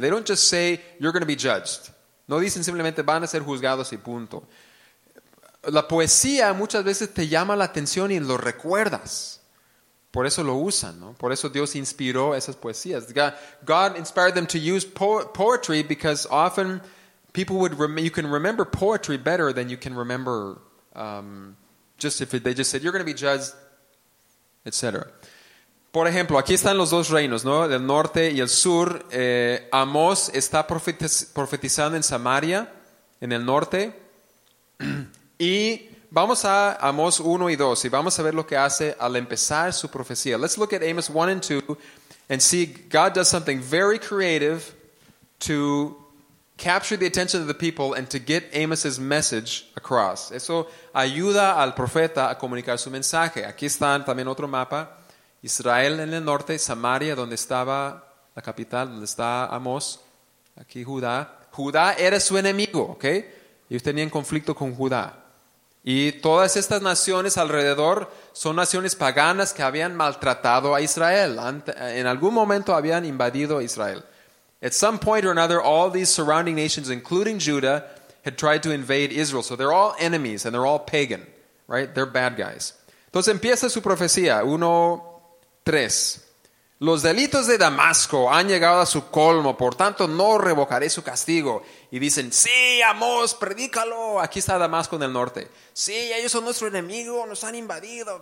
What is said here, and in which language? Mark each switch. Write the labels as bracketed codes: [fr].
[en] They don't just say, you're going to be judged. [es] No dicen simplemente, van a ser juzgados y punto. La poesía muchas veces te llama la atención y lo recuerdas. Por eso lo usan, ¿no? Por eso Dios inspiró esas poesías. [en] God inspired them to use poetry because often people you can remember poetry better than you can remember just if they just said, you're going to be judged, etc. [es] Por ejemplo, aquí están los dos reinos, ¿no? El norte y el sur. Amós está profetizando en Samaria, en el norte. Y vamos a Amós 1 y 2 y vamos a ver lo que hace al empezar su profecía. [en] Let's look at Amos 1 and 2 and see God does something very creative to capture the attention of the people and to get Amos's message across. [es] Eso ayuda al profeta a comunicar su mensaje. Aquí están también otro mapa. Israel en el norte, Samaria, donde estaba la capital, donde está Amós. Aquí Judá. Judá era su enemigo, ¿ok? Ellos tenían conflicto con Judá. Y todas estas naciones alrededor son naciones paganas que habían maltratado a Israel. En algún momento habían invadido a Israel. [en] At some point or another, all these surrounding nations, including Judah, had tried to invade Israel. So they're all enemies and they're all pagan, right? They're bad guys. [es] Entonces empieza su profecía. 1:3. Los delitos de Damasco han llegado a su colmo, por tanto no revocaré su castigo. Y dicen, sí, Amós, predícalo. Aquí está Damasco en el norte. Sí, ellos son nuestro enemigo, nos han invadido.